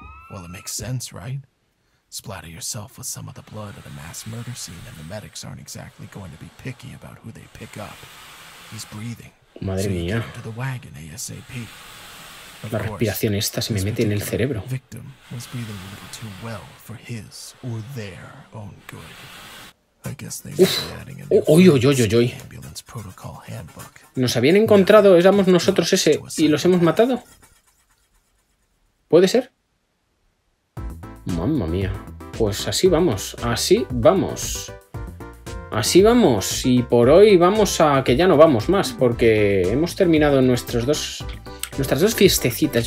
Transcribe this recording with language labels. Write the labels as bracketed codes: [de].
[en] Well, it makes sense, right? Splatter yourself with some of the blood of the mass murder scene and the medics aren't exactly going to be picky about who they pick up. He's breathing. [es] Madre mía. [en] So you get into the wagon ASAP. [es] La respiración esta se me mete en el cerebro. [en] Victim was breathing a little too well for his or their own good. I guess they were adding a new ambulance protocol handbook. [es] Nos habían encontrado, éramos nosotros ese y los hemos matado. ¿Puede ser? Mamma mía, pues así vamos, así vamos, así vamos, y por hoy vamos a que ya no vamos más, porque hemos terminado nuestras dos fiestecitas.